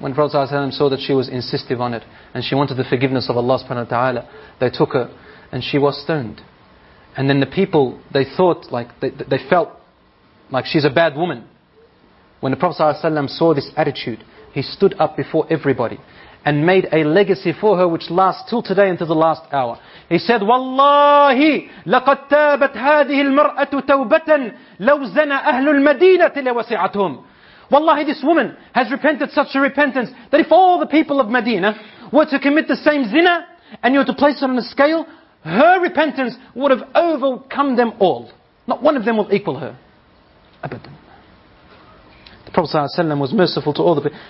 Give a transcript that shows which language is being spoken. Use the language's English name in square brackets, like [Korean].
[English] When the Prophet ﷺ saw that she was insistive on it, and she wanted the forgiveness of Allah subhanahu wa ta'ala, they took her and she was stoned. And then the people, they thought, like they felt like she's a bad woman. When the Prophet ﷺ saw this attitude, he stood up before everybody. and made a legacy for her which lasts till today until the last hour. He said, [Arabic] Wallahi, لقد تابت هذه المرأة توبة لو زنى أهل المدينة لوسعتهم. [English] Wallahi, this woman has repented such a repentance that if all the people of Medina were to commit the same zina and you were to place it on a scale, her repentance would have overcome them all. Not one of them will equal her. Abadan. The Prophet ﷺ was merciful to all the people.